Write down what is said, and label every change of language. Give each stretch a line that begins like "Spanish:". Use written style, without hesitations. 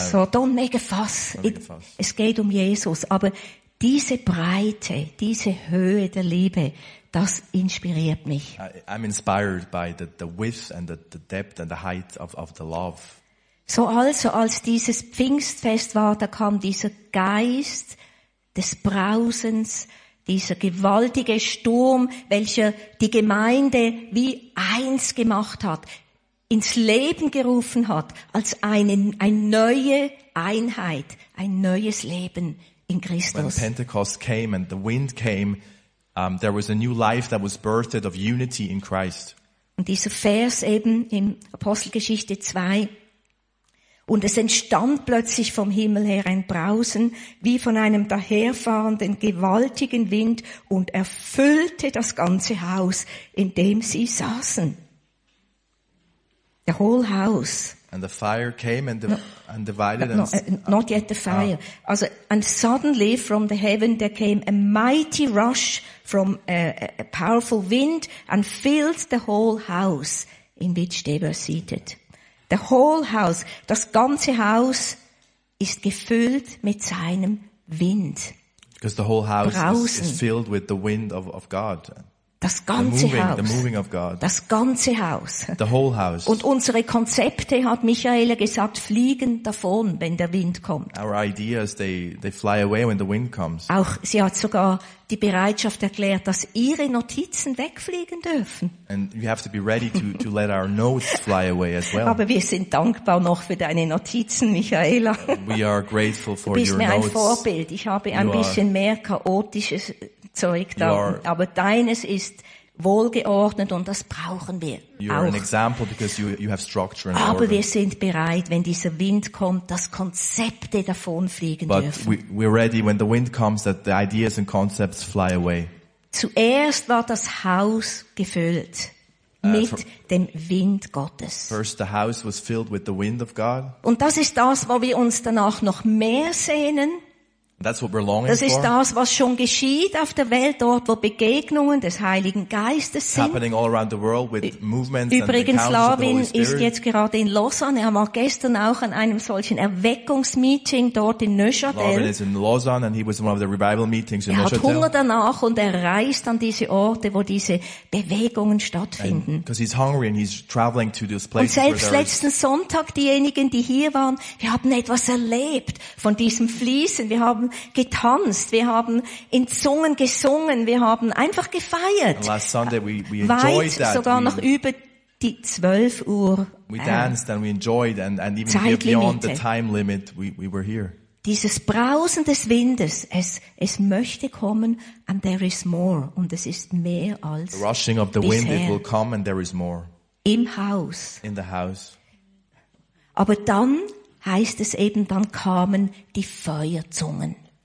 English: don't make a fuss.
German: Es geht um Jesus. Aber diese Breite, diese Höhe der Liebe, das inspiriert mich.
English: I'm inspired by the width and the depth and the height of the love.
German: So also, als dieses Pfingstfest war, da kam dieser Geist des Brausens, dieser gewaltige Sturm, welcher die Gemeinde wie eins gemacht hat, ins Leben gerufen hat, als eine neue Einheit, ein neues Leben in Christus.
English: When Pentecost came and the wind came, there was a new life that was birthed of unity in Christ.
German: Und dieser Vers eben in Apostelgeschichte 2, und es entstand plötzlich vom Himmel her ein Brausen, wie von einem daherfahrenden gewaltigen Wind, und erfüllte das ganze Haus, in dem sie saßen.
English: The whole house. And the fire came and, and divided. Not yet the fire. Also, and suddenly from the heaven there came a mighty rush from a powerful wind and filled the whole house in which they were seated. The whole house,
German: das ganze Haus ist gefüllt mit seinem Wind.
English: Because the whole house is filled with the wind of God.
German: Das ganze Haus.
English: The moving of God.
German: Das ganze Haus.
English: The whole house.
German: Und unsere Konzepte, hat Michaela gesagt, fliegen davon, wenn der Wind kommt.
English: Our ideas, they fly away when the wind comes.
German: Auch sie hat sogar die Bereitschaft erklärt, dass ihre Notizen wegfliegen dürfen.
English: And you have to be ready to let our notes fly away as well.
German: Aber wir sind dankbar noch für deine Notizen, Michaela.
English: We are grateful for your notes.
German: Du bist mir ein Vorbild. Ich habe ein bisschen mehr chaotisches Zeug da, aber deines ist wohlgeordnet und das brauchen wir auch. Aber wir sind bereit, wenn dieser Wind kommt, dass Konzepte davonfliegen dürfen.
English: We're ready when the wind comes, that the ideas and concepts fly away.
German: Zuerst war das Haus gefüllt mit dem Wind Gottes.
English: First the house was filled with the wind of God.
German: Und das ist das, wo wir uns danach noch mehr sehnen.
English: That's what we're longing for.
German: Das ist das, was schon geschieht auf der Welt, dort, wo Begegnungen des Heiligen Geistes sind.
English: Happening all around the world with movements.
German: Übrigens, Lavin ist jetzt gerade in Lausanne. Er war gestern auch an einem solchen Erweckungsmeeting dort in Neuchâtel.
English: Lavin is in Lausanne and he was one of the revival meetings in Neuchâtel.
German: Er hat Hunger danach und er reist an diese Orte, wo diese Bewegungen stattfinden.
English: Because he's hungry and he's traveling to those places.
German: Und selbst letzten Sonntag, diejenigen, die hier waren, wir haben etwas erlebt von diesem Fließen. Wir haben getanzt, wir haben in Zungen gesungen, wir haben einfach gefeiert.
English: Last Sunday we
German: weit
English: that.
German: Sogar
English: we,
German: noch über die 12 Uhr.
English: We danced and we enjoyed and even Zeitlimite. Beyond the time limit we were here.
German: Dieses Brausen des Windes, es möchte kommen
English: and there is more,
German: und es ist mehr als bisher.
English: The rushing of the wind, it will come and there is more.
German: Im Haus.
English: In the house.
German: Aber dann heißt es eben, dann kamen die Feuerzungen.